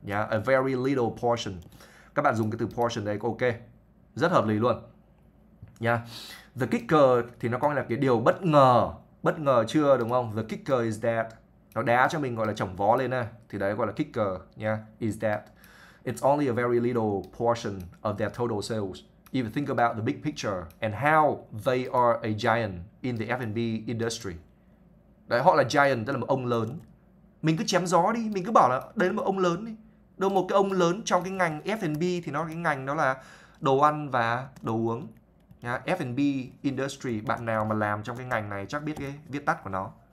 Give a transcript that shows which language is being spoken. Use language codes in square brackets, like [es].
[en] A very little portion. [vi] Các bạn dùng cái từ portion đấy, ok. Rất hợp lý luôn. The kicker thì nó có nghĩa là cái điều bất ngờ. Bất ngờ chưa đúng không? [en] The kicker is that. [vi] Nó đá cho mình gọi là chổng vó lên nè. Thì đấy gọi là kicker nha. [en] Is that. It's only a very little portion of their total sales. If you think about the big picture and how they are a giant in the F&B industry. [vi] Đấy, họ là giant, tức là một ông lớn. Mình cứ chém gió đi, mình cứ bảo là đấy là một ông lớn đi. Đâu một cái ông lớn trong cái ngành F&B thì nó cái ngành đó là đồ ăn và đồ uống. F&B industry, bạn nào mà làm trong cái ngành này chắc biết cái viết tắt của nó.